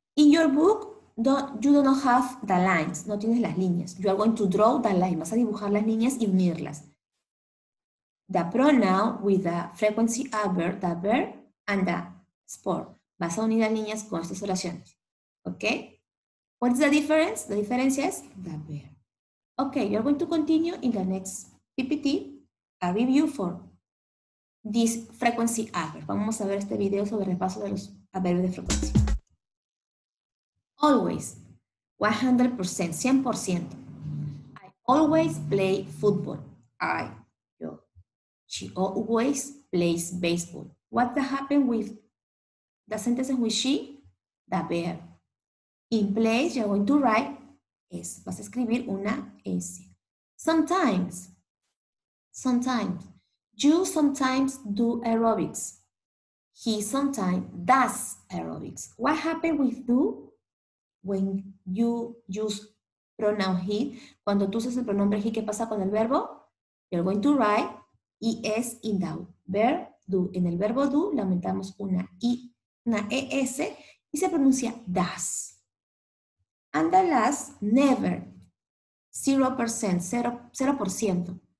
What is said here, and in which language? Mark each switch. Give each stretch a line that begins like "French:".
English: In your book, you do not have the lines.
Spanish: No tienes las líneas.
English: You are going to draw the lines.
Spanish: Vas a dibujar las líneas y unirlas.
English: The pronoun with the frequency adverb, the verb, and the sport.
Spanish: Vas a unir las líneas con estas oraciones.
English: ¿Ok? What is the difference?
Spanish: La diferencia es
English: the verb. Ok, you're going to continue in the next PPT, a review for this frequency adverb.
Spanish: Vamos a ver este video sobre el repaso de los adverbios de frecuencia.
English: Always, 100%, 100%. I always play football. I, yo. She always plays baseball. What happened with the sentence with she? The bear. In place, you're going to write S.
Spanish: Vas a escribir una S.
English: Sometimes. Sometimes. You sometimes do aerobics. He sometimes does aerobics. What happened with do? When you use pronoun he.
Spanish: Cuando tú usas el pronombre he, ¿qué pasa con el verbo?
English: You're going to write ES in the verb do.
Spanish: En el verbo do, le aumentamos una I, una ES, y se pronuncia does.
English: And the last, never, 0%, 0%.